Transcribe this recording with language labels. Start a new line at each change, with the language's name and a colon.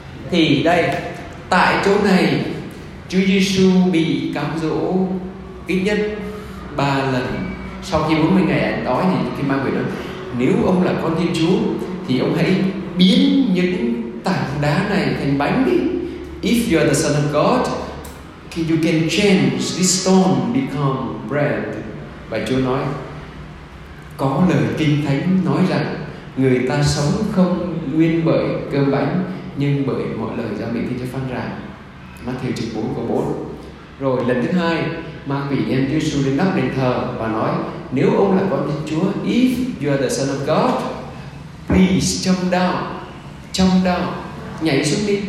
Vietnamese: Thì đây, tại chỗ này Chúa Giêsu bị cám dỗ ít nhất 3 lần. Sau khi 40 ngày ăn đói thì khi ma quỷ nói: nếu ông là con Thiên Chúa thì ông hãy biến những tảng đá này thành bánh đi.
English: If you are the son of God, you can change this stone become bread.
Vietnamese: Và Chúa nói: có lời kinh thánh nói rằng người ta sống không nguyên bởi cơm bánh, nhưng bởi mọi lời ra miệng Thiên Chúa phán ra. Matthew 4:4. Rồi lần thứ hai, ma quỷ đem Chúa Giêsu lên nóc đền thờ và nói: nếu ông là con Thiên Chúa,
English: if you are the son of God, please jump down,
Vietnamese: nhảy xuống đi.